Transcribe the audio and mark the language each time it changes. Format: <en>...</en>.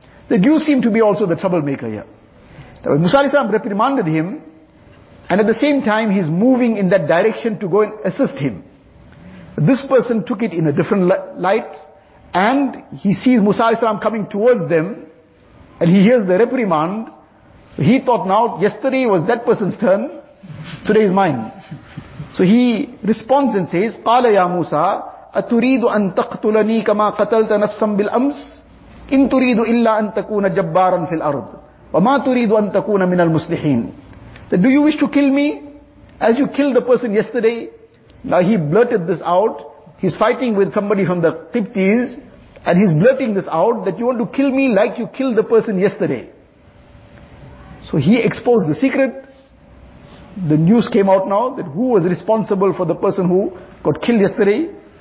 <en>That you seem to be also the troublemaker here. Now, Musa alayhi salam reprimanded him, and at the same time he's moving in that direction to go and assist him. But this person took it in a different light, and he sees Musa alayhi salam coming towards them, and he hears the reprimand. He thought, now yesterday was that person's turn, today is mine. So he responds and says,</en> <ar>قَالَ يَا مُوسَىٰ أَتُرِيدُ أَن تَقْتُلَنِي كَمَا قَتَلْتَ نَفْسًا بِالْأَمْسِ إِن تُرِيدُ إِلَّا أَن تَكُونَ جَبَّارًا فِي الْأَرْضِ وَمَا تُرِيدُ أَن تَكُونَ مِنَ الْمُسْلِحِينَ.</ar> <en>So, do you wish to kill me as you killed the person yesterday? Now he blurted this out. He's fighting with somebody from the Qibtis, and he's blurting this out, that you want to kill me like you killed the person yesterday. So he exposed the secret. The news came out now that who was responsible for the person who got killed yesterday.</en>